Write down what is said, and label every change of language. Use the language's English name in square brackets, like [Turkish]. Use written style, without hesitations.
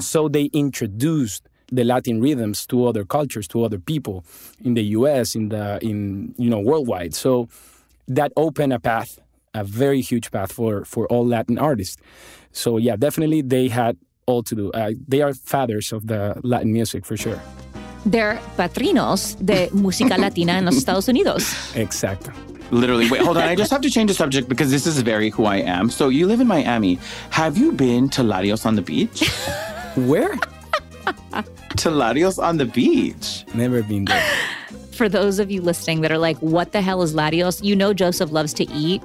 [English] So they introduced the Latin rhythms to other cultures, to other people in the U.S., in you know, worldwide. So that opened a path, a very huge path for all Latin artists. So yeah, definitely they had all to do. They are fathers of the Latin music for sure. [Spanish] They're patrinos de música latina en los Estados Unidos. Exacto. [English] Literally. Wait, hold on. I just have to change the subject because this is very who I am. So you live in Miami. Have you been to Larios on the beach? Where? To Larios on the beach. Never been there. For those of you listening that are like, what the hell is Larios? You know Joseph loves to eat.